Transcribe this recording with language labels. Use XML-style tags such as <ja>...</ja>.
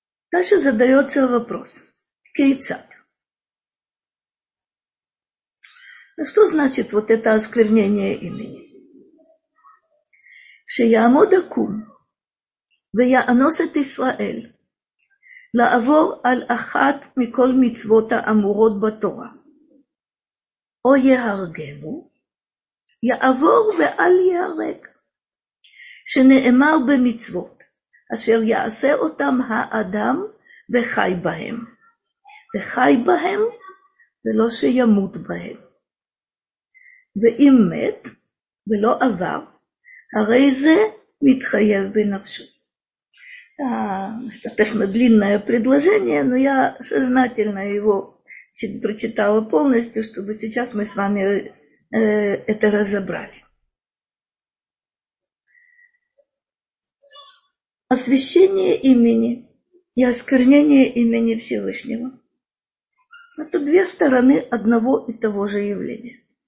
<ru>Дальше задается вопрос. Кейцат. Что значит вот это осквернение имени?</ru> <he>Шеямодакум. Вея Аносет Исраэль, לעבור על אחת מכל מצוות האמורות בתורה. או יהרגנו, יעבור ואל יהרג. שנאמר במצוות, אשר יעשה אותם האדם וחי בהם. וחי בהם ולא שימות בהם. ואם מת ולא עבר, הרי זה מתחייב בנפשו.</he> <ru>Достаточно длинное предложение, но я сознательно его прочитала полностью, чтобы сейчас мы с вами это разобрали. Освящение имени и осквернение имени Всевышнего – это две стороны одного и того же явления.</ru>